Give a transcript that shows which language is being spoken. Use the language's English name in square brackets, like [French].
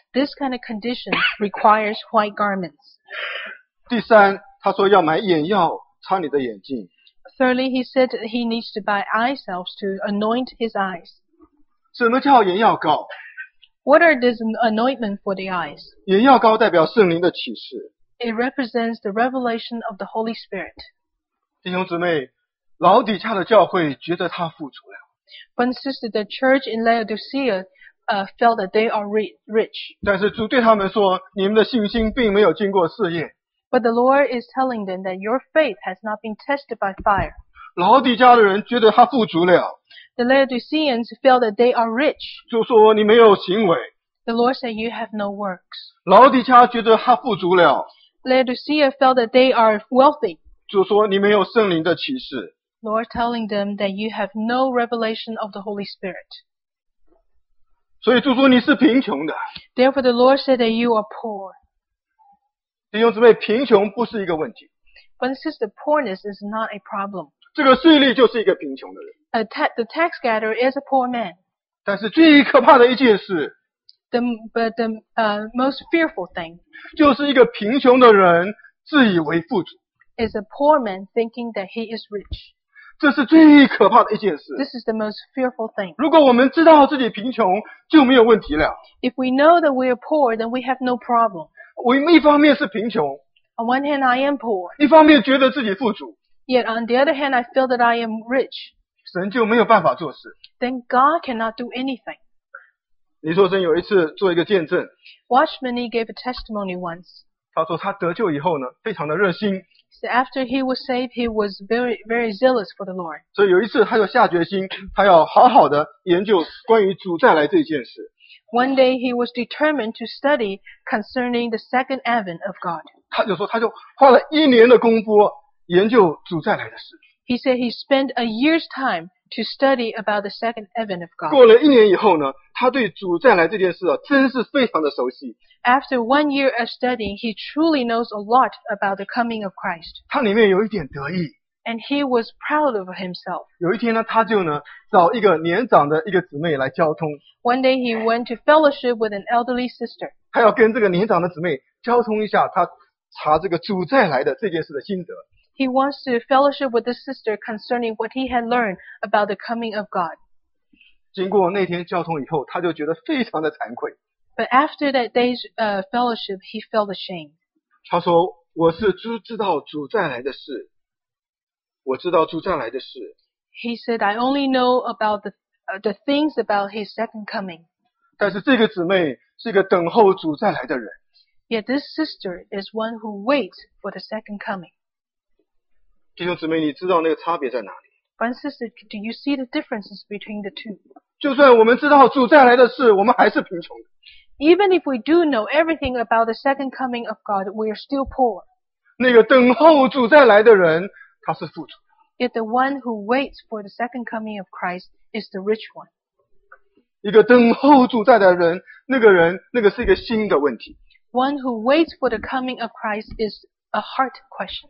[English] This kind of condition requires white garments. [Chinese] 第三，他说要买眼药擦你的眼睛。 [English] Thirdly, he said he needs to buy eye salves to anoint his eyes. [Chinese] 什么叫眼药膏？ [English] What are this anointment for the eyes? [Chinese] 眼药膏代表圣灵的启示。 [English] It represents the revelation of the Holy Spirit. [Chinese] 弟兄姊妹，老底下的教会觉得他富足了。 [English] But sister, the church in Laodicea felt that they are rich. [Chinese] 但是主对他们说，你们的信心并没有经过试验。 [English] But the Lord is telling them that your faith has not been tested by fire. [Chinese] 老底家的人觉得他富足了。 [English] The Laodiceans felt that they are rich. [Chinese] 就说你没有行为。 [English] The Lord said you have no works. [Chinese] 老底家觉得他富足了。 [English] Laodicea felt that they are wealthy. [Chinese] 就说你没有圣灵的启示。 [English] Lord telling them that you have no revelation of the Holy Spirit. [Chinese] 所以就说你是贫穷的。 [English] Therefore the Lord said that you are poor. [Chinese] 弟兄姊妹，贫穷不是一个问题。 [English] But sister, poorness is not a problem. [Chinese] 这个税吏就是一个贫穷的人。 [English] The tax gatherer is a poor man. [Chinese] 但是最可怕的一件事。 [English] But the most fearful thing. [Chinese] 就是一个贫穷的人自以为富足。 [English] Is a poor man thinking that he is rich. [Chinese] 这是最可怕的一件事。 [English] This is the most fearful thing. [Chinese] 如果我们知道自己贫穷，就没有问题了。 [English] If we know that we are poor, then we have no problem. [Chinese] 我一方面是贫穷 [English] On one hand, I am poor. [Chinese] 一方面觉得自己富足 [English] Yet on the other hand, I feel that I am rich. [Chinese] 神就没有办法做事 [English] Then God cannot do anything. [Chinese] 李硕珍有一次做一个见证 [English] Watchman Nee gave a testimony once. [Chinese] 他说他得救以后呢，非常的热心 [English] So after he was saved, he was very, very zealous for the Lord. [Chinese] 所以有一次他就下决心，他要好好的研究关于主再来这件事。 [English] One day he was determined to study concerning the second advent of God. [Chinese] 他就说他就花了一年的功夫研究主再来的事。 [English] He said he spent a year's time to study about the second advent of God. [Chinese] 过了一年以后呢，他对主再来这件事啊，真是非常的熟悉。 [English] After one year of studying, he truly knows a lot about the coming of Christ. [Chinese] 他里面有一点得意。 [English] And he was proud of himself. [Chinese] 有一天呢，他就呢找一个年长的一个姊妹来交通。 [English] One day he went to fellowship with an elderly sister. [Chinese] 他要跟这个年长的姊妹交通一下，他查这个主再来的这件事的心得。 [English] He wants to fellowship with the sister concerning what he had learned about the coming of God. [Chinese] 经过那天交通以后，他就觉得非常的惭愧。 [English] But after that day's fellowship, he felt ashamed. [Chinese] 他说：“我是知道主再来的事。” 我知道主再来的事。 [English] He said, I only know about the things about his second coming. [Chinese] 但是这个姊妹是一个等候主再来的人。 [English] Yet this sister is one who waits for the second coming. [Chinese] 弟兄姊妹，你知道那个差别在哪里？ [English] But sister, do you see the differences between the two? [Chinese] 就算我们知道主再来的事，我们还是贫穷。 [English] Even if we do know everything about the second coming of God, we are still poor. [Chinese] 那个等候主再来的人他是富足。 [English] Yet the one who waits for the second coming of Christ is the rich one. [Chinese] 一个等候主再来的人，那个人，那个是一个心的问题。 [English] One who waits for the coming of Christ is a heart question.